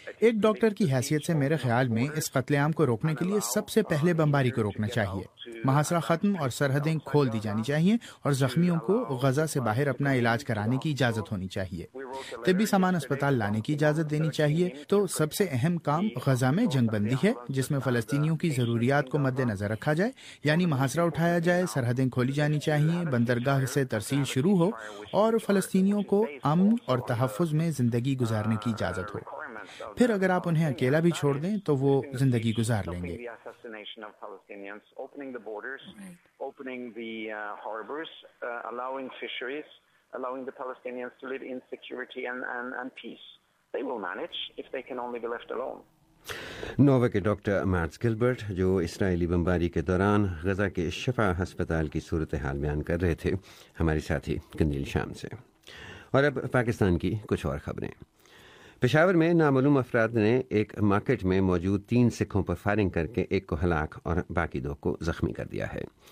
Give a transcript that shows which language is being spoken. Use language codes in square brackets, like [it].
[ur] ایک ڈاکٹر کی حیثیت سے میرے خیال میں اس قتل عام کو روکنے کے لیے سب سے پہلے بمباری کو روکنا چاہیے۔ محاصرہ ختم اور سرحدیں کھول دی جانی چاہیے، اور زخمیوں کو غزہ سے باہر اپنا علاج کرانے کی اجازت ہونی چاہیے۔ طبی سامان اسپتال لانے کی اجازت دینی چاہیے۔ تو سب سے اہم کام غزہ میں جنگ بندی ہے، جس میں فلسطینیوں کی ضروریات کو مد نظر رکھا جائے، یعنی محاصرہ اٹھایا جائے، سرحدیں کھولی جانی چاہیے، بندرگاہ سے ترسیل شروع ہو، اور فلسطینیوں کو امن اور تحفظ میں زندگی گزارنے کی اجازت ہو۔ پھر اگر آپ انہیں اکیلا بھی چھوڑ دیں تو وہ زندگی گزار لیں گے. [en] Allowing the Palestinians to live in security and peace. They will manage if they can only be left alone. [ur] نووے کے ڈاکٹر مارٹس گلبرٹ جو اسرائیلی بمباری کے دوران غزہ کے شفا ہسپتال کی صورتحال بیان کر رہے تھے ہماری ساتھی قندیل شام سے. اور اب پاکستان کی کچھ اور خبریں. پشاور میں نامعلوم افراد نے ایک مارکیٹ میں موجود 3 سکھوں پر فائرنگ کر کے 1 کو ہلاک اور باقی 2 کو زخمی کر دیا ہے.